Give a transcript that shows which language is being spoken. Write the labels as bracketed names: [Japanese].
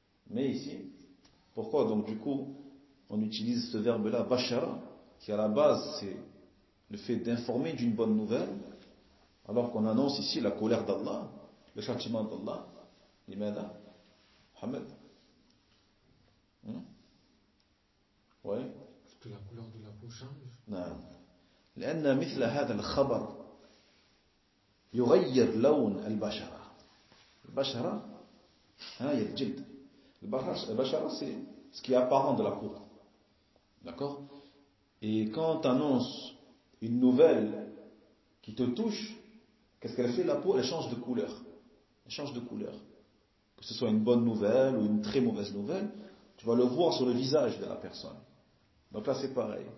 [French] Mais ici, pourquoi donc du coup, on utilise ce verbe-là, bashara, qui à la base, c'est le fait d'informer d'une bonne nouvelle, alors qu'on annonce ici la colère d'Allah, le châtiment d'Allah, l'imada, Muhammad. Oui. Parce que la couleur de la peau change. Non. [Arabic] لأن مثل هذا الخبر يغير لون البشرة. البشرة هي الجلد. [French] البشرة c'est ce qui est apparent de la peau. D'accord. Et quand tu annonces une nouvelle qui te touche, qu'est-ce qu'elle fait la peau? Elle change de couleur. Elle change de couleur. Que ce soit une bonne nouvelle ou une très mauvaise nouvelle, tu vas le voir sur le visage de la personne. Donc là, c'est pareil.